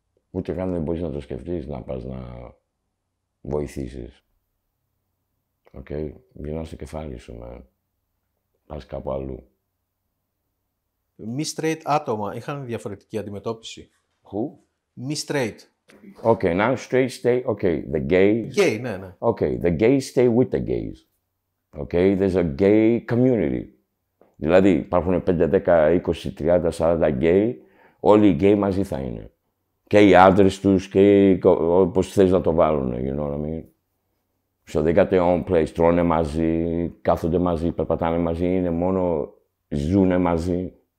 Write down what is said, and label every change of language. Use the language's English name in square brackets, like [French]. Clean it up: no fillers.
[Greek] Ούτε καν δεν μπορείς να το σκεφτείς, να πας να βοηθήσεις. Okay. Γυρνάς στο κεφάλι σου, με. Πας κάπου αλλού. Μη straight άτομα είχαν διαφορετική αντιμετώπιση. [English] Who? [Greek] Μη straight. [English] Okay, now straight stay, okay, the gays. [Greek] Gay, ναι, ναι. [English] Okay, the gays stay with the gays. Okay, there's a gay community. [Greek] Δηλαδή, υπάρχουν 5, 10, 20, 30, 40 gay, όλοι οι gay μαζί θα είναι. Και οι άντρες τους και όπως θες να το βάλουν, [English] you know what I mean. So they got their own place, [Greek] τρώνε μαζί, κάθονται μαζί, περπατάνε μαζί, είναι μόνο, ζουνε μαζί.